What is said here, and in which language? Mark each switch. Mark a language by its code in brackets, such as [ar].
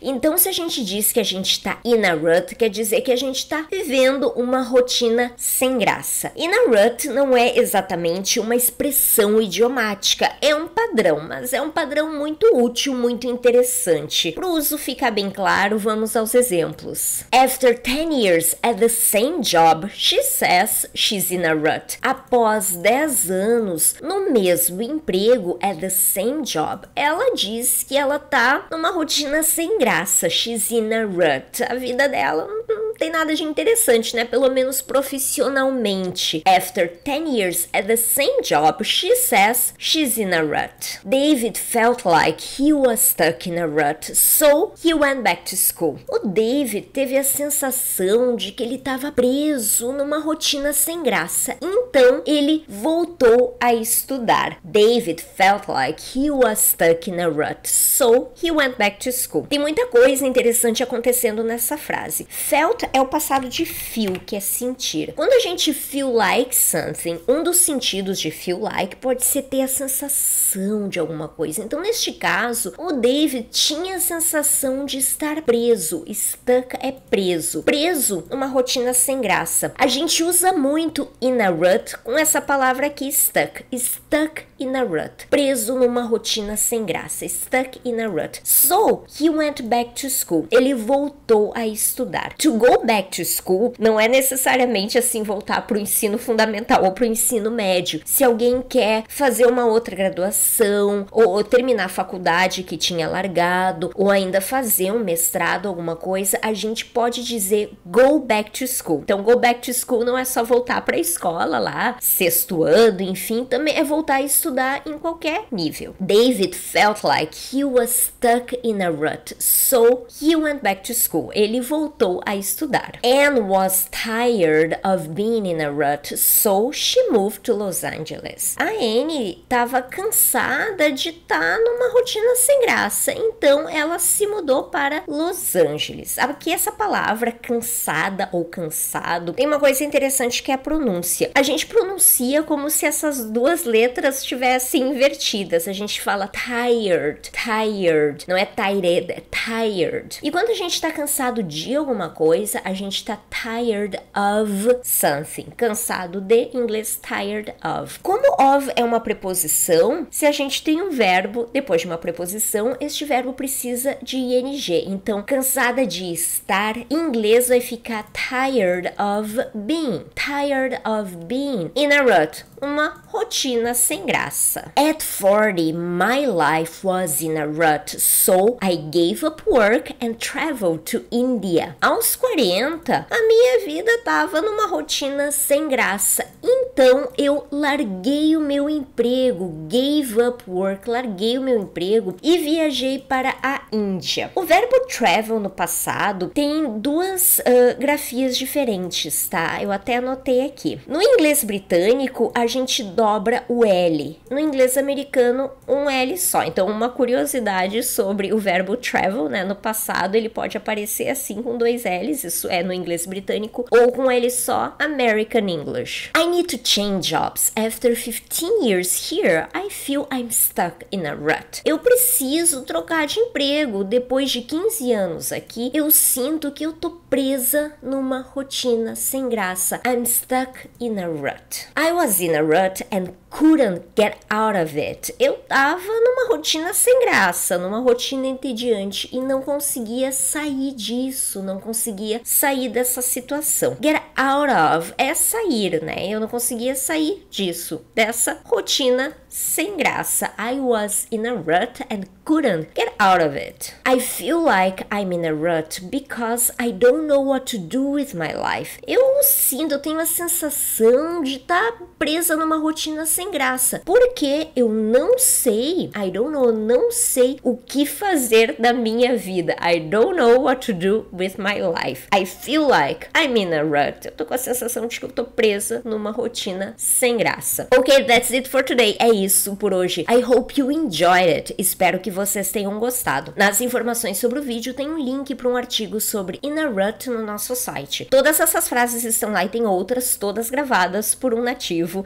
[pt] Então, se a gente diz que a gente está in a rut, quer dizer que a gente está vivendo uma rotina sem graça. In a rut não é exatamente uma expressão idiomática, é um padrão, mas é um padrão muito útil, muito interessante. Para o uso ficar bem claro, vamos aos exemplos. [en] After 10 years at the same job, she says she's in a rut. [pt] Após 10 anos no mesmo emprego, [en] at the same job, [pt] ela diz que ela tá numa rotina sem graça. [en] She's in a rut. [pt] A vida dela não tem nada de interessante, né? Pelo menos profissionalmente. [en] After 10 years at the same job, she says she's in a rut. David felt like he was stuck in a rut, so he went back to school. [pt] O David teve a sensação de que ele estava preso numa rotina sem graça, então ele voltou a estudar. [en] David felt like he was stuck in a rut, so he went back to school. [pt] Tem muita coisa interessante acontecendo nessa frase. Felt é o passado de feel, que é sentir. Quando a gente [en] feel like something, [pt] um dos sentidos de feel like pode ser ter a sensação de alguma coisa. Então, neste caso, o David tinha a sensação de estar preso. Stuck é preso. Preso, uma rotina sem graça. A gente usa muito in a rut com essa palavra aqui, stuck. [en] Stuck in a rut. [pt] Preso numa rotina sem graça. [en] Stuck in a rut. So, he went back to school. [pt] Ele voltou a estudar. [en] To go back to school [pt] não é necessariamente assim voltar para o ensino fundamental ou para o ensino médio. Se alguém quer fazer uma outra graduação ou terminar a faculdade que tinha largado ou ainda fazer um mestrado, alguma coisa, a gente pode dizer [en] go back to school. [pt] Então, [en] go back to school [pt] não é só voltar para a escola lá, sexto ano, enfim, também é voltar a estudar em qualquer nível. [en] David felt like he was stuck in a rut, so he went back to school. [pt] Ele voltou a estudar. [en] Anne was tired of being in a rut, so she moved to Los Angeles. [pt] A Anne estava cansada de estar numa rotina sem graça, então ela se mudou para Los Angeles. Aqui essa palavra, cansada ou cansado, tem uma coisa interessante que é a pronúncia. A gente pronuncia como se essas duas letras estivessem invertidas. A gente fala tired, tired. Não é tired, é tired. E quando a gente está cansado de alguma coisa, a gente está [en] tired of something. [pt] Cansado de, inglês, [en] tired of. [pt] Como of é uma preposição, se a gente tem um verbo depois de uma preposição, este verbo precisa de ing. Então, cansada de estar, em inglês vai ficar [en] tired of being. Tired of being. In a rut. [pt] Uma rotina sem graça. [en] At 40, my life was in a rut, so I gave up work and traveled to India. [pt] Aos 40, a minha vida estava numa rotina sem graça. Então, eu larguei o meu emprego, [en] gave up work, [pt] larguei o meu emprego e viajei para a Índia. O verbo travel no passado tem duas grafias diferentes, tá? Eu até anotei aqui. No inglês britânico, a gente dobra o L. No inglês americano, um L só. Então, uma curiosidade sobre o verbo travel, né? No passado, ele pode aparecer assim com dois L's, isso é no inglês britânico, ou com L só, American English. [en] I need to change jobs. After 15 years here, I feel I'm stuck in a rut. [pt] Eu preciso trocar de emprego. Depois de 15 anos aqui, eu sinto que eu tô presa numa rotina sem graça. [en] I'm stuck in a rut. I was in a rut and couldn't get out of it. [pt] Eu tava numa rotina sem graça, numa rotina entediante e não conseguia sair disso, não conseguia sair dessa situação. Get out of é sair, né? Eu não conseguia sair disso, dessa rotina sem graça. [en] I was in a rut and couldn't get out of it. I feel like I'm in a rut because I don't know what to do with my life. [pt] Eu sinto, eu tenho a sensação de estar presa numa rotina sem sem graça. Porque eu não sei, [en] I don't know, [pt] não sei o que fazer da minha vida. [en] I don't know what to do with my life. I feel like I'm in a rut. [pt] Eu tô com a sensação de que eu tô presa numa rotina sem graça. [en] Ok, that's it for today. [pt] É isso por hoje. [en] I hope you enjoyed it. [pt] Espero que vocês tenham gostado. Nas informações sobre o vídeo, tem um link para um artigo sobre In a Rut no nosso site. Todas essas frases estão lá e tem outras, todas gravadas por um nativo.